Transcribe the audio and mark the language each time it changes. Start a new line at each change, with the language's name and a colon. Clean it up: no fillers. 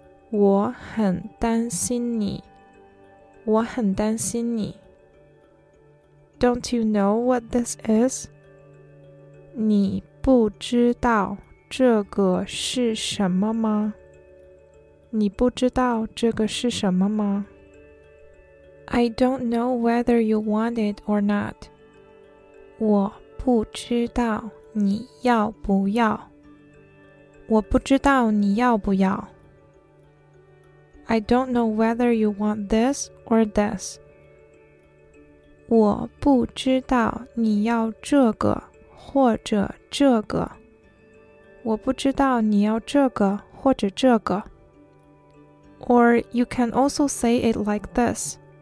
Chinese: 我很担心你。我很担心你。
English: Don't you know what this is?
Chinese: 你不知道这个是什么吗？你不知道这个是什么吗？
English: I don't know whether you want it or not.
Chinese: 我不知道你要不要。我不知道你要不要。
English: I don't know whether you want this or this.
Chinese: 我不知道你要这个或者这个。我不知道你要这个或者这个。
English: Or you can also say it like this.